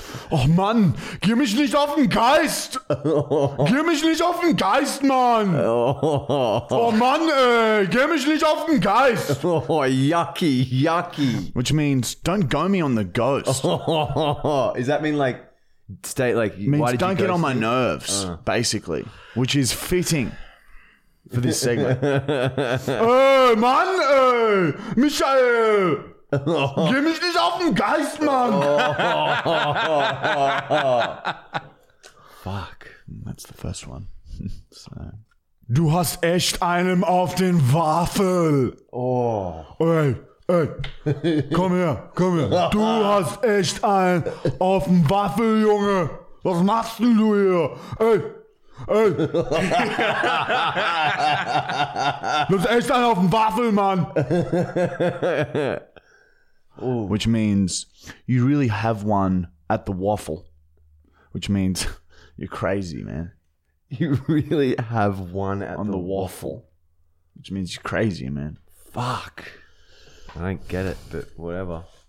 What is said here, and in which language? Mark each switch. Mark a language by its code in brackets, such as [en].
[de] Oh, Mann, geh mich nicht auf den Geist! Geh mich nicht auf den Geist, Mann! Oh, Mann, geh mich nicht auf den Geist! [en] Oh, yucky, yucky. Which means, don't go me on the ghost. Does that mean, like, stay, like... Means, why did don't you get on my nerves, basically. Which is fitting. For this segment. [de] Oh, Mann, Michael, geh mich nicht auf den Geist, Mann. [en] Fuck. That's the first one. [de] So. Du hast echt einen auf den Waffel. Oh. Hey, hey, komm her, komm her. Du hast echt einen auf den Waffel, Junge. Was machst denn du hier? Hey. Hey. Das ist echt einer auf dem Waffel, Mann. [en] Which means you really have one at the waffle. Which means you're crazy, man. You really have one at on the waffle. Which means you're crazy, man. Fuck. I don't get it, but whatever.